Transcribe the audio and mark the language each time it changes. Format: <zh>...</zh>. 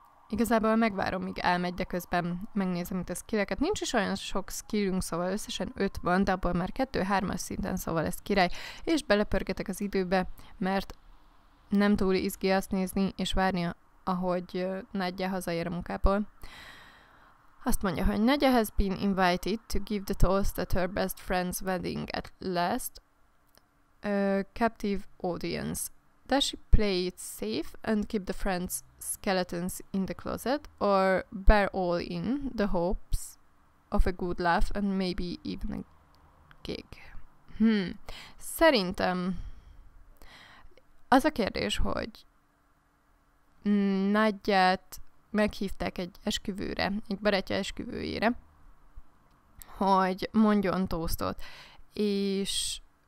<hu>Igazából megvárom, míg elmegy, de közben megnézem itt a skilleket. Nincs is olyan sok skillünk, szóval összesen 5 van, de abból már 2-3-as szinten, szóval ez király. És belepörgetek az időbe, mert nem túl izgi azt nézni és várni, ahogy Nadja hazaér a munkából. Azt mondja, hogy</hu> <en>Nadja has been invited to give the toast at her best friend's wedding at last. Captive audience. Does she play it safe and keep the friend's skeletons in the closet or bear all in the hopes of a good laugh and maybe even a gig?</en> <hu>Szerintem az a kérdés, hogy Nadját meghívták egy esküvőre, egy barátja esküvőjére, hogy mondjon toastot, és</hu>